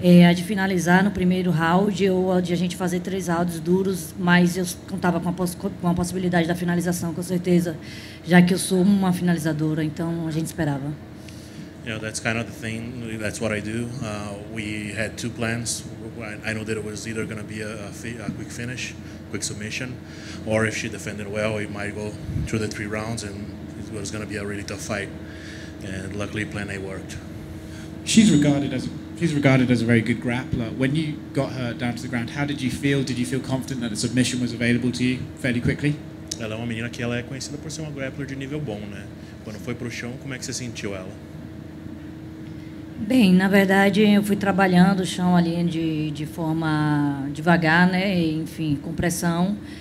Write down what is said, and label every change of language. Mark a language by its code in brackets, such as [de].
[pt] A de finalizar no primeiro round ou a de a gente fazer três rounds duros, mas eu contava com a possibilidade da finalização, com certeza, já que eu sou uma finalizadora, então a gente esperava. [en] You know, that's kind of the thing, that's what I do. We had two plans. I know that it was either going to be a quick finish, quick submission, or if she defended well, it might go through the three rounds and it was going to be a really tough fight. And luckily, plan A worked. She's regarded as a very good grappler. When you got her down to the ground, how did you feel? Did you feel confident that the submission was available to you fairly quickly? [pt] Ela é uma menina que ela é conhecida por ser uma grappler de nível bom, né? Quando foi pro chão, como é que você sentiu ela? Bem, na verdade, eu fui trabalhando o chão ali de forma devagar, né? Enfim, com pressão.